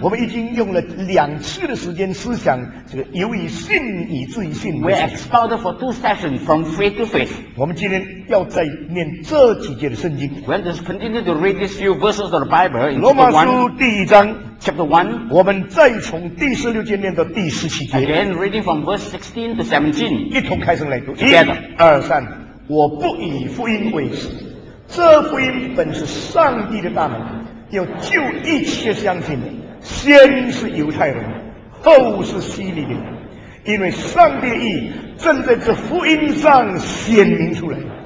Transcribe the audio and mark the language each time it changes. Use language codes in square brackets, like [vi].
[zh] 我们已经用了两次的时间思想这个由于信以至于信。 [en] We expounded for two sessions from faith to faith。 [zh] 我们今天要再念这几节的圣经。 [en] We'll just continue to read these few verses of the Bible in [zh] chapter 1。罗马书第一章 [en] chapter 1， [zh] 我们再从第十六节念到第十七节。 [en] Again, reading from verse 16 to 17， [zh] 一同开声来读。 [en] Together, [zh] 一、二、三，我不以福音为耻，这福音本是上帝的大能。要救一切相信的，先是犹太人，后是希利人，因为上帝的义正在这福音上显明出来。